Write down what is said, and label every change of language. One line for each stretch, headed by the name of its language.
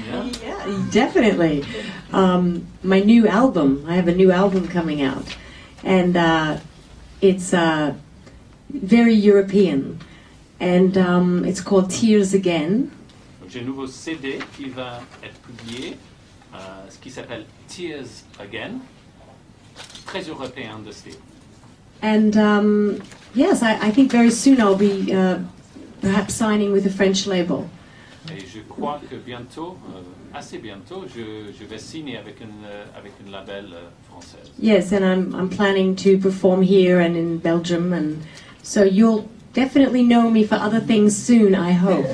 English: yeah? Yeah, definitely. My new album, I have a new album coming out. And it's very European. And it's called Tears Again.
French: J'ai un nouveau CD qui va être publié, ce qui s'appelle Tears Again. Très européen de style.
English: And yes, I think very soon I'll be perhaps signing with a French label.
French: Et je crois que bientôt, assez bientôt, je vais signer avec une label française.
English: Yes, and I'm planning to perform here and in Belgium, and so you'll definitely know me for other things soon, I hope.